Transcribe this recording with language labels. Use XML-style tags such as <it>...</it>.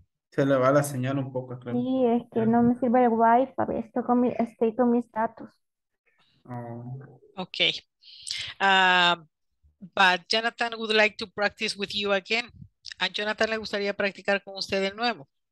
<es>Se le va la señal un poco, Clelia. Sí, es que no me sirve el wifi, estoy con mis datos. Okay.</es> <en>But Jonathan would like to practice with you again.</en> <es>A Jonathan le gustaría practicar con usted de nuevo.</es>